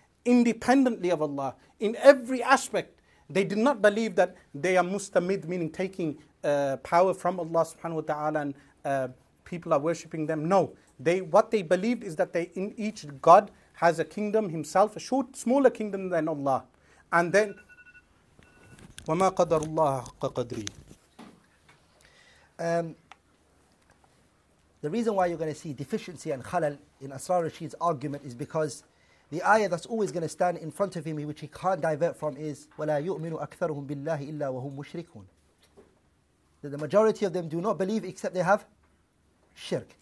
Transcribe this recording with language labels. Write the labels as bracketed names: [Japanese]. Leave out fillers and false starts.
[English] Independently of Allah. In every aspect, they did not believe that they are mustamid, meaning taking power from Allah subhanahu wa ta'ala and people are worshipping them. No. What they believed is that in each God has a kingdom himself, a short, smaller kingdom than Allah. And then, [Arabic] وَمَا قَدَرُ اللَّهَ حَقَّ قَدْرِي. [English] The reason why you're going to see deficiency and khalal in Asrar Rashid's argument is because the ayah that's always going to stand in front of him, which he can't divert from, is [Arabic] وَلَا يُؤْمِنُ أَكْثَرُهُمْ بِاللَّهِ إِلَّا وَهُمْ مُشْرِكُونَ. [English] That the majority of them do not believe except they have shirk.